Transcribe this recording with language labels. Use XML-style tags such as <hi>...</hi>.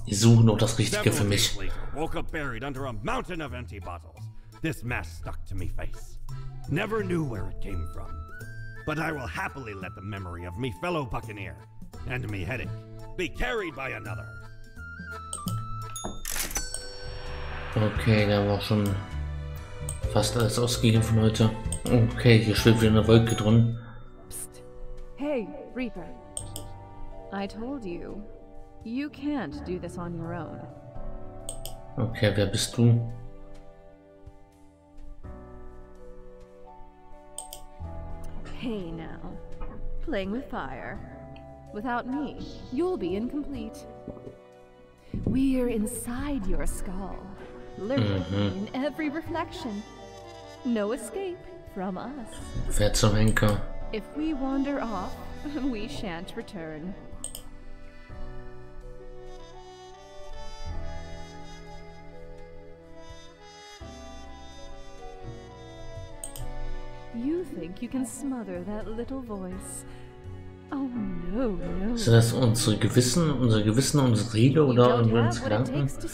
<de>Ich suche noch das Richtige für mich.</de> <en>Woke up buried under a mountain of empty bottles. This mask stuck to me face. Never knew where it came from, but I will happily let the memory of me fellow buccaneer and me headache be carried by another.</en> <de>Okay, da war schon fast alles ausgegeben von heute. Okay, hier schwebt wieder eine Wolke drin.</de> <en>Psst. Hey, Reaper. I told you, you can't do this on your own.</en> <de>Okay, wer bist du?</de> <en>Hey now, playing with fire. Without me, you'll be incomplete. We're inside your skull, lurking in every reflection. No escape from us. That's a wrinkle. If we wander off, we shan't return. You think you can smother that little voice? Oh no, no.</en> <de>Sind das unsere Gewissen, unsere Ego oder unsere Gedanken?</de>